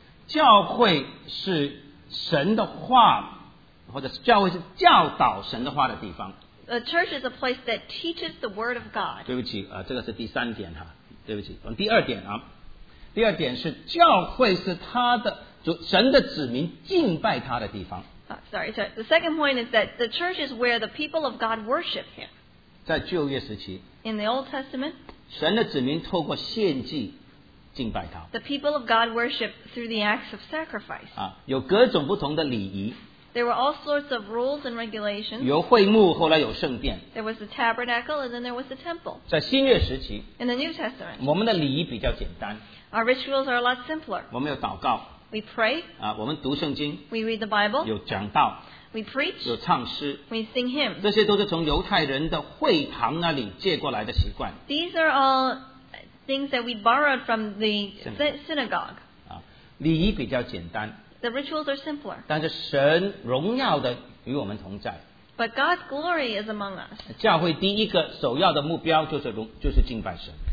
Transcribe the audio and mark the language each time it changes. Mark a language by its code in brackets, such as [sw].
[zh] 教会是神的话，或者教会是教导神的话的地方。 [en] A church is a place that teaches the word of God. [zh] 对不起，这个是第三点哈，对不起，第二点啊，第二点是教会是他的主神的子民敬拜他的地方。 [en] Sorry, the second point is that the church is where the people of God worship Him. [zh] 在旧约时期。 [en] In the Old Testament. [zh] 神的子民透过献祭。敬拜他。 [en] The people of God worship through the acts of sacrifice. [zh] 有各种不同的礼仪。 [en] There were all sorts of rules and regulations. [zh] 有会幕，后来有圣殿。 [en] There was the tabernacle, and then there was the temple. [zh] 在新约时期。 [en] In the New Testament. [zh] 我们的礼仪比较简单。 [en] Our rituals are a lot simpler. [zh] 我们有祷告。 [en] We pray. [zh] 我们读圣经。 [en] We read the Bible. [zh] 有讲道。 [en] We preach. [zh] 有唱诗。 [en] We sing hymns. [zh] 这些都是从犹太人的会堂那里借过来的习惯。 [en] These are all things that we borrowed from the synagogue. [zh] 礼仪比较简单。 [en] The rituals are simpler. [zh] 但是神荣耀的与我们同在。 [en] But God's glory is among us. [zh] 教会第一个首要的目标就是敬拜神。